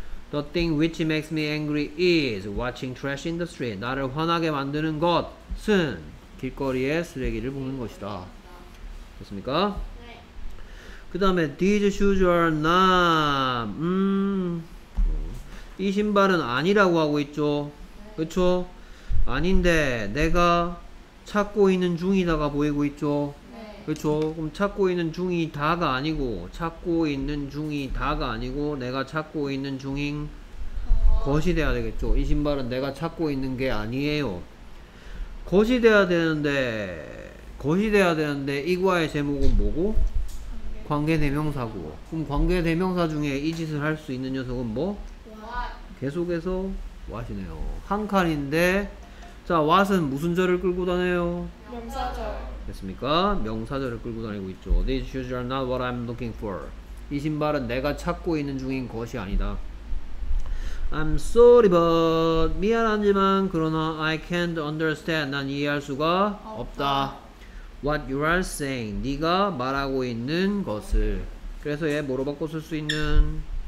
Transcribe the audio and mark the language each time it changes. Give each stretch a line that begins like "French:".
English: The thing which makes me angry is watching trash in the street.
Korean: 나를 화나게 만드는 것은 길거리에 쓰레기를 보는 것이다. 됐습니까? 네. 그 다음에
English: these shoes are not.
Korean: 이 신발은 아니라고 하고 있죠. 네. 그쵸? 아닌데 내가 찾고 있는 중이다가 보이고 있죠. 그쵸? 그럼 찾고 있는 중이다가 아니고 찾고 있는 중이다가 아니고 내가 찾고 있는 중인 것이 돼야 되겠죠. 이 신발은 내가 찾고 있는 게 아니에요. 것이 돼야 되는데 것이 돼야 되는데 이과의 제목은 뭐고? 관계대명사고. 그럼 관계대명사 중에 이 짓을 할 수 있는 녀석은 뭐?
English: What?
Korean: 계속해서 what이네요. 한 칸인데 자 what은 무슨 절을 끌고 다녀요? 명사절. 됐습니까? 명사절을 끌고 다니고 있죠.
English: These shoes are not what I'm looking for.
Korean: 이 신발은 내가 찾고 있는 중인 것이 아니다.
English: I'm sorry but
Korean: 미안하지만 그러나
English: I can't understand.
Korean: 난 이해할 수가 없다.
English: What you are saying.
Korean: 네가 말하고 있는 것을. 그래서 얘 뭐로 바꿔 쓸 수 있는?